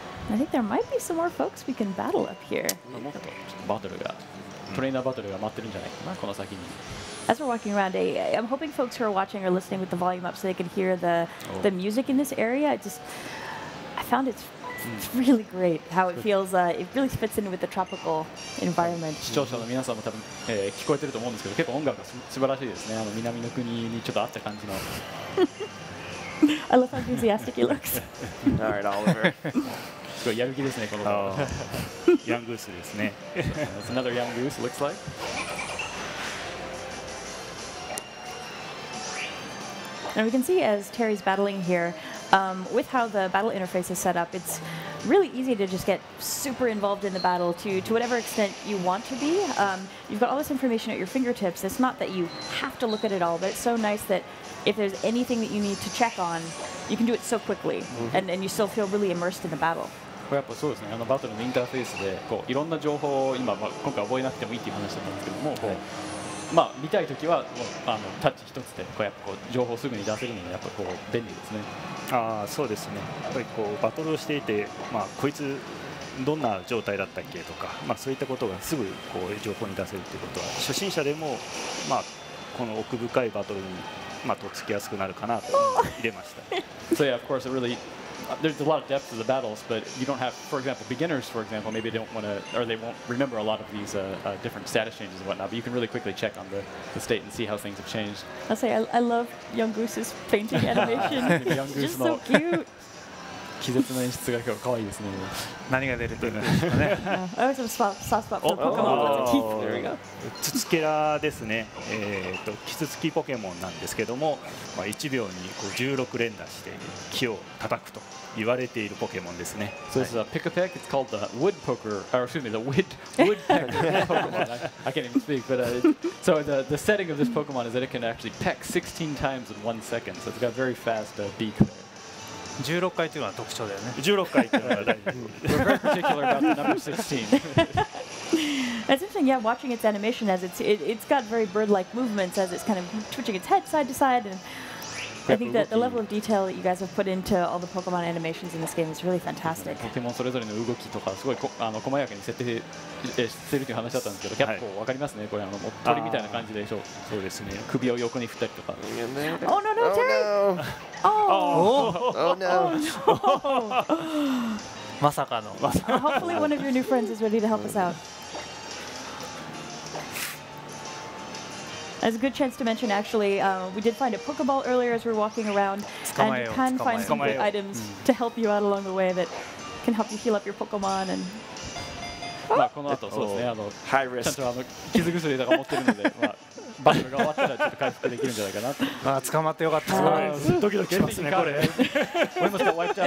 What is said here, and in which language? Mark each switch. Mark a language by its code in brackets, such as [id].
[en] I think there might be some more folks we can battle up here. As we're walking around, I'm hoping folks who are watching or listening with the volume up so they can hear the music in this area. I found it's really great how it feels. It really fits in with the tropical environment. [ja] 視聴者の皆さんも多分、聞こえてると思うんですけど、結構音楽が素晴らしいですね。あの南の国にちょっと合った感じの。 [en] I love how enthusiastic he looks. All right, Oliver. [ja] すごいやる気ですね、この子。ヤングウスですね。 [en] That's another young goose, looks like. And we can see as Terry's battling here, with how the battle interface is set up, it's really easy to just get super involved in the battle to whatever extent you want to be. You've got all this information at your fingertips. It's not that you have to look at it all, but it's so nice that if there's anything that you need to check on, you can do it so quickly, and you still feel really immersed in the battle. [ja] これやっぱそうですね、あのバトルのインターフェースでこういろんな情報を 今、まあ、今回覚えなくてもいいっていう話なんですけども、はい、まあ見たいときはもうあのタッチ一つでこうやっぱこう情報をすぐに出せるのがやっぱこう便利ですね。あ、そうですね、やっぱりこうバトルをしていて、まあ、こいつどんな状態だったっけとか、まあ、そういったことがすぐこう情報に出せるということは初心者でも、まあ、この奥深いバトルに、まあ、とっつきやすくなるかなと入れました。 [en] So yeah, of course, reallyThere's a lot of depth to the battles, but you don't have, for example, beginners, for example, maybe they don't want to, or they won't remember a lot of these different status changes and whatnot, but you can really quickly check on the state and see how things have changed. I'll say, I love Young Goose's fainting animation. Young Goose is so cute. [ja] 気絶の演出が結構可愛いですね。何が出るというのですかね。サースパッポケモンのキープ。キツツケラですね。キツツキポケモンなんですけども、まあ、1秒にこう16連打して木を叩くと言われているポケモンですね。 [en] So this is a pick a peck. It's called the wood poker, or excuse me, the wood pecker Pokemon. I can't even speak. But so the setting of this Pokemon is that it can actually peck 16 times in 1 second. So it's got very fast beak. [ja] 16回っていうのは特徴だよね。 16回っていうのは大 [en] 事。We're very particular about the number 16. That's interesting. Yeah, watching its animation as it's got very bird-like movements as it's kind of twitching its head side to side. And I think that the level of detail that you guys have put into all the Pokemon animations in this game is really fantastic. [ja] ポケモンそれぞれの動きとかすごいあの細やかに設定してるという話だったんですけど、結構わかりますね。これあの鳥みたいな感じでしょ。そうですね。首を横に振ったりとか。 [en] Oh no, no, Terry! [ja] まさかの。 [en] Hopefully one of your new friends is ready to help us out. That's a good chance to mention, actually, we did find a Pokeball earlier as we were walking around, and you can find some good items to help you out along the way that can help you heal up your Pokemon and... [ja] まあこの後そうですね、あのちゃんとあの傷薬とか持ってるので、まあバトルが終わったらちょっと回復できるんじゃないかなと。まあ捕まってよかった。ドキドキしますねこれ。俺もちょっと終わっちゃ